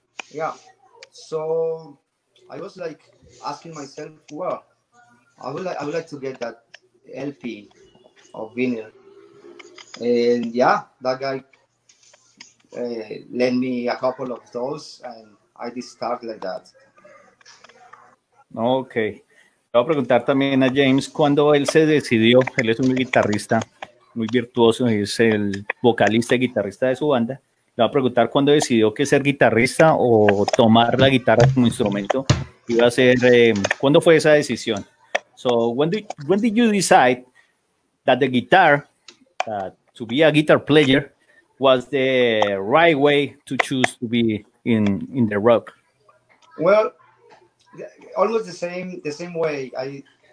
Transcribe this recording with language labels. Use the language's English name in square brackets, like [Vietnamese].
[English] Yeah. So I was like asking myself, well, I would like to get that LP of vinyl. And yeah, that guy lent me a couple of those, and I did start like that. Okay. [Spanish] Voy a preguntar también a James cuando él se decidió. Él es un guitarrista muy virtuoso, es el vocalista y guitarrista de su banda. Le voy a preguntar cuándo decidió que ser guitarrista o tomar la guitarra como instrumento iba a ser. ¿Cuándo fue esa decisión? [English] So when did you decide that the guitar to be a guitar player was the right way to choose to be in the rock? Well, almost the same way.